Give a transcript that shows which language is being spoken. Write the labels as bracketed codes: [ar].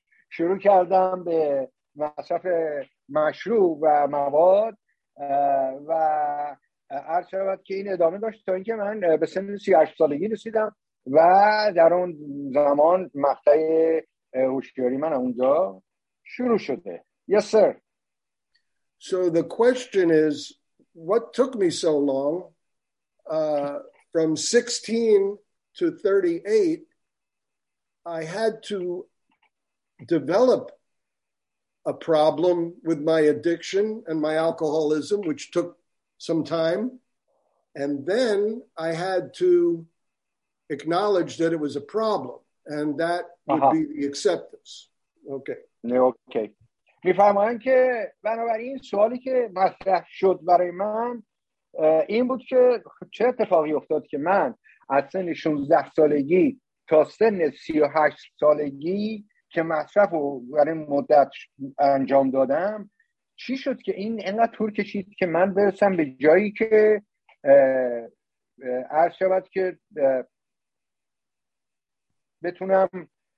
[fa] شروع کردم به مصرف مشروب و مواد و عرض شد که این ادامه داشت تا اینکه من به سن 38 سالگی رسیدم و در اون زمان مقطع هوشیاری من اونجا شروع شده. [en] Yes, sir. So the question is, what took me so long from 16 to 38, I had to develop a problem with my addiction and my alcoholism, which took some time. And then I had to acknowledge that it was a problem, and that would be the acceptance. Okay. [fa] می فرمایم که بنابراین سوالی که مطرح شد برای من این بود که چه اتفاقی افتاد که من از سن 16 سالگی تا سن 38 سالگی که مصرف رو برای مدت انجام دادم چی شد که این انقدر طول کشید که من برسم به جایی که عرض شود که بتونم